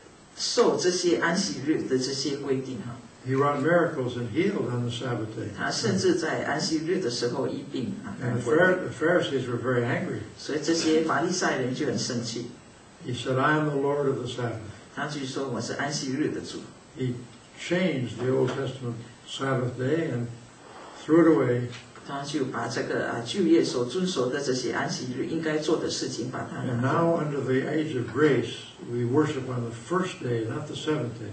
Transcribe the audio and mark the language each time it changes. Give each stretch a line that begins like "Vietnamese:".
Chinese: 那主耶稣没有受这些安息日的这些规定哈。
English: He wrought miracles and healed on the Sabbath day.
Chinese: 他甚至在安息日的时候医病。
English: And the Pharisees were very angry.
Chinese: 所以这些玛利赛人就很生气。
English: He said, I am the Lord of the Sabbath.
Chinese: 他据说我是安息日的主。
English: He changed the Old Testament Sabbath day and threw it away.
Chinese: 他就把这个旧约所遵守的这些安息日应该做的事情把它。
English: And now under the age of grace, we worship on the first day, not the seventh day.